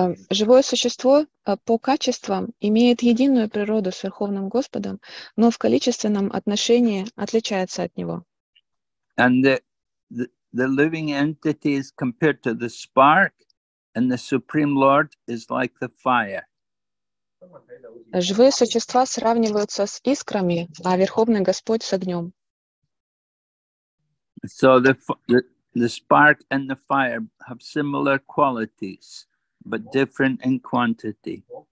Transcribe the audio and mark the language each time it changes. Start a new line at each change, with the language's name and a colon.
Russian: Живое существо по качествам имеет единую природу с Верховным Господом, но в количественном отношении отличается от него.
English: And the living entity is compared to the spark, and the Supreme Lord is like the fire.
Russian: Живые существа сравниваются с искрами, а Верховный Господь с огнем.
English: So the spark and the fire have similar qualities, but different in quantity.